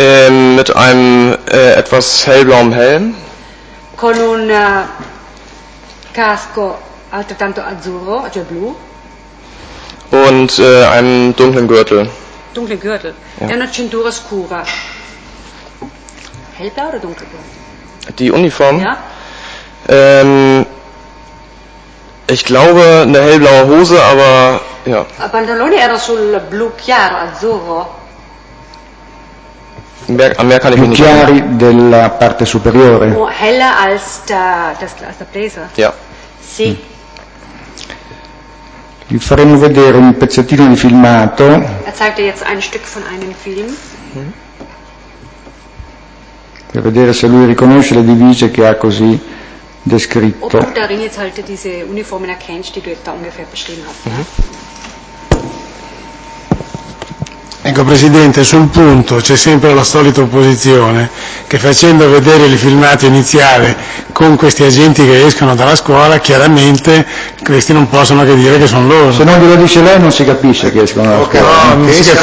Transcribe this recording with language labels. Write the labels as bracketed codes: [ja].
[de] Mit einem etwas hellblauen Helm. [it] Con un casco altrettanto azzurro, cioè blu. [de] Und einem dunklen Gürtel. Dunklen Gürtel. Ja. [it] Una cintura scura. [de] Hellblau oder dunkelblau? Die Uniform? Ja. Ich glaube, eine hellblaue Hose, aber ja. [it] Il pantalone era sul blu chiaro, azzurro. [de] Mehr kann ich nicht [it] chiari sagen. Della parte superiore. [de] Heller als der Bläser. Ja. [it] Sì. Vi faremo vedere un pezzettino di filmato. [de] Er zeigt jetzt ein Stück von einem Film. [it] Per vedere se lui riconosce le divise che ha così descritto. [de] Ob du darin jetzt halt diese Uniformen erkennst, die du da ungefähr beschrieben hast. [it] Ecco Presidente, sul punto c'è sempre la solita opposizione che facendo vedere il filmato iniziale con questi agenti che escono dalla scuola, chiaramente questi non possono che dire che sono loro. Se non glielo dice lei non si capisce che escono dalla scuola.